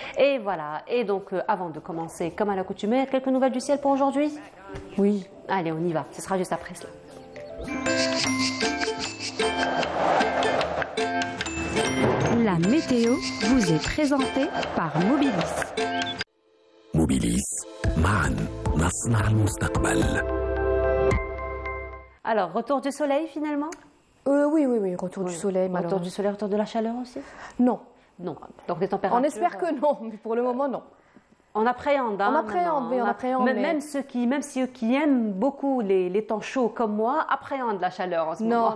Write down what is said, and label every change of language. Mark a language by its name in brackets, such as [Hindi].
[French] et voilà, et donc avant de commencer, comme à l'accoutumée, quelques nouvelles du ciel pour aujourd'hui? Oui. Allez, on y va, ce sera juste après cela. La météo vous est présentée par Mobilis. [Arabic] Mobilis, معاً نصنع المستقبل. [French] Alors, retour du soleil finalement? Oui, retour du soleil. Retour du soleil, retour de la chaleur aussi? Non. Non. Donc des températures? On espère que non, mais pour le moment non. On appréhende. Hein, on appréhende, oui, on appréhende. Même ceux qui aiment beaucoup les temps chauds comme moi appréhendent la chaleur en ce moment.